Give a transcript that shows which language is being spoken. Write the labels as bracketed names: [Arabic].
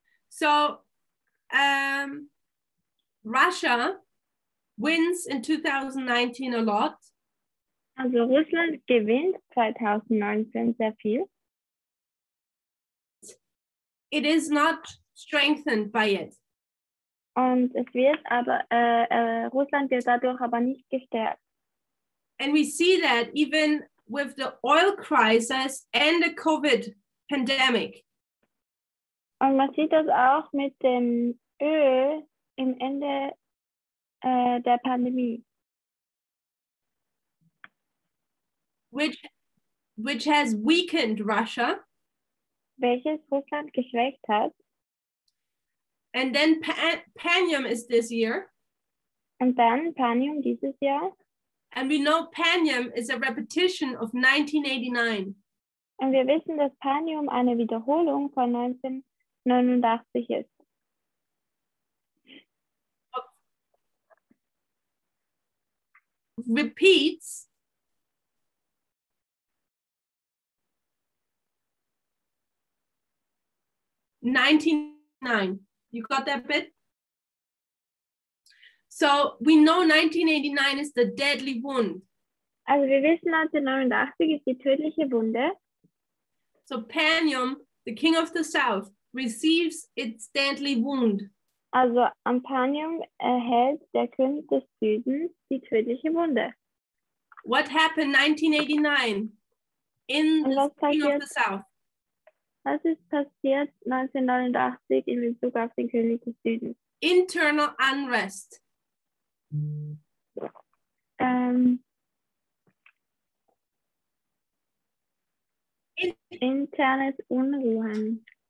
[English] So, Russia wins in 2019 a lot. [German] Also Russland gewinnt 2019 sehr viel. [English] It is not strengthened by it. [German] Und es wird aber Russland wird dadurch aber nicht gestärkt. [English] And we see that even with the oil crisis and the COVID pandemic. [German] Und man sieht das auch mit dem Öl im Ende der Pandemie. [English] Which has weakened Russia. [German] Welches Russland geschwächt hat. [English] And then Panium is this year. [German] Und dann Panium dieses Jahr. [English] And we know Panium is a repetition of 1989. [German] Und wir wissen, dass Panium eine Wiederholung von 1989 ist. [English] Repeats. 1989. You got that bit? So we know 1989 is the deadly wound. [German] Also wir wissen, 1989 ist die tödliche Wunde. [English] So Panium, the king of the south, receives its deadly wound. [German] Also Panium erhält der König des Südens die tödliche Wunde. [English] What happened 1989 in the king of the south? [German] Was ist passiert 1989 in Bezug auf den König des Südens? [English] Internal unrest. [German] Internes Unruhen.